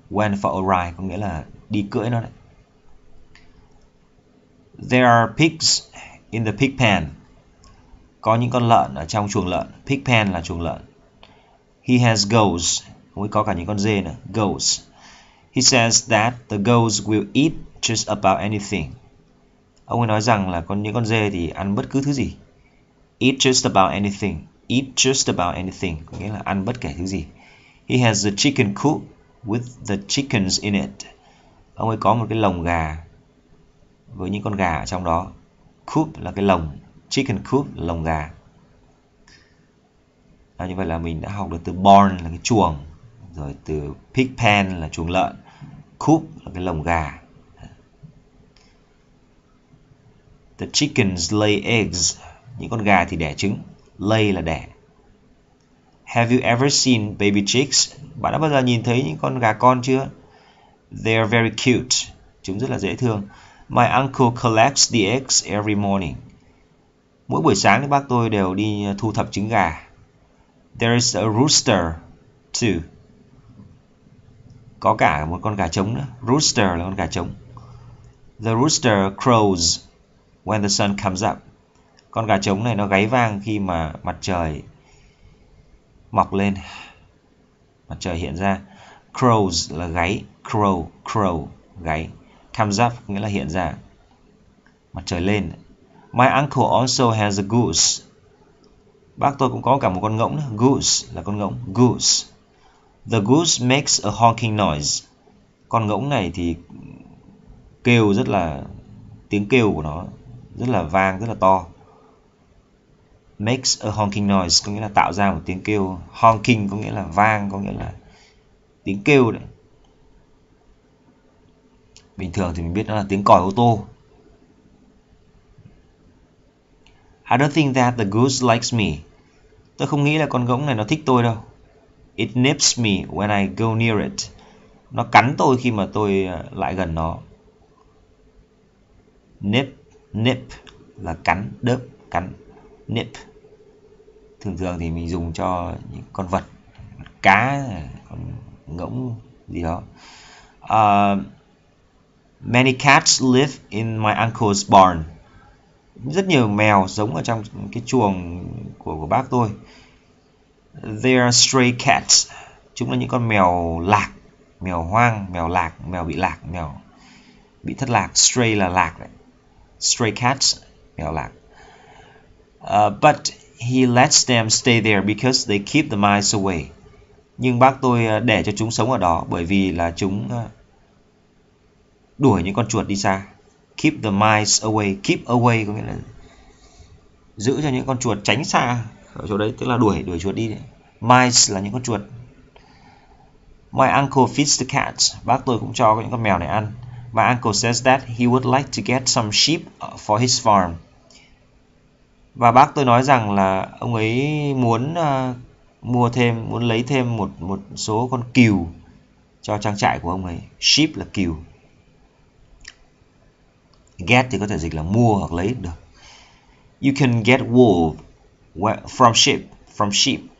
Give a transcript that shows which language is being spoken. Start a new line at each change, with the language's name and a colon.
Vietnamese: Went for a ride có nghĩa là đi cưỡi nó đấy.
English: There are pigs in the pig pen.
Vietnamese: Có những con lợn ở trong chuồng lợn.
English: Pig pen
Vietnamese: là chuồng lợn.
English: He has goats.
Vietnamese: Ông ấy có cả những con dê nữa.
English: Goats. He says that the goats will eat just about anything.
Vietnamese: Ông ấy nói rằng là những con dê thì ăn bất cứ thứ gì.
English: Eat just about anything. Eat just about anything.
Vietnamese: Có nghĩa là ăn bất kể thứ gì.
English: He has a chicken coop with the chickens in it.
Vietnamese: Ông ấy có một cái lồng gà với những con gà ở trong đó. Coop là cái lồng. Chicken coop là lồng gà. À, như vậy là mình đã học được từ barn là cái chuồng. Rồi từ pig pen là chuồng lợn. Coop là cái lồng gà.
English: The chickens lay eggs.
Vietnamese: Những con gà thì đẻ trứng. Lay là đẻ.
English: Have you ever seen baby chicks?
Vietnamese: Bạn đã bao giờ nhìn thấy những con gà con chưa?
English: They are very cute.
Vietnamese: Chúng rất là dễ thương.
English: My uncle collects the eggs every morning.
Vietnamese: Mỗi buổi sáng thì bác tôi đều đi thu thập trứng gà.
English: There is a rooster too.
Vietnamese: Có cả một con gà trống nữa. Rooster là con gà trống.
English: The rooster crows when the sun comes up.
Vietnamese: Con gà trống này nó gáy vang khi mà mặt trời mọc lên. Mặt trời hiện ra. Crows là gáy. Crow, gáy. Comes up nghĩa là hiện ra. Mặt trời lên.
English: My uncle also has a goose.
Vietnamese: Bác tôi cũng có cả một con ngỗng nữa. Goose là con ngỗng. Goose.
English: The goose makes a honking noise.
Vietnamese: Con ngỗng này thì kêu rất là, tiếng kêu của nó rất là vang, rất là to.
English: Makes a honking noise
Vietnamese: có nghĩa là tạo ra một tiếng kêu. Honking có nghĩa là vang, có nghĩa là tiếng kêu đấy. Bình thường thì mình biết nó là tiếng còi ô tô.
English: I don't think that the goose likes me.
Vietnamese: Tôi không nghĩ là con ngỗng này nó thích tôi đâu.
English: It nips me when I go near it.
Vietnamese: Nó cắn tôi khi mà tôi lại gần nó. Nip, nip là cắn, đớp, cắn. Nip. Thường thường thì mình dùng cho những con vật, cá, con ngỗng gì đó.
English: Many cats live in my uncle's barn.
Vietnamese: Rất nhiều mèo sống ở trong cái chuồng của bác tôi.
English: They are stray cats.
Vietnamese: Chúng là những con mèo lạc, mèo hoang, mèo lạc, mèo bị lạc, mèo bị thất lạc. Stray là lạc đấy. Stray cats, mèo lạc.
English: But he lets them stay there because they keep the mice away.
Vietnamese: Nhưng bác tôi để cho chúng sống ở đó bởi vì là chúng đuổi những con chuột đi xa.
English: Keep the mice away.
Vietnamese: Keep away có nghĩa là giữ cho những con chuột tránh xa ở chỗ đấy, tức là đuổi đuổi chuột đi. Mice là những con chuột.
English: My uncle feeds the cats.
Vietnamese: Bác tôi cũng cho những con mèo này ăn.
English: My uncle says that he would like to get some sheep for his farm.
Vietnamese: Và bác tôi nói rằng là ông ấy muốn mua thêm, muốn lấy thêm một số con cừu cho trang trại của ông ấy. Sheep là cừu. Get thì có thể dịch là mua hoặc lấy được.
English: You can get wool from sheep. From sheep.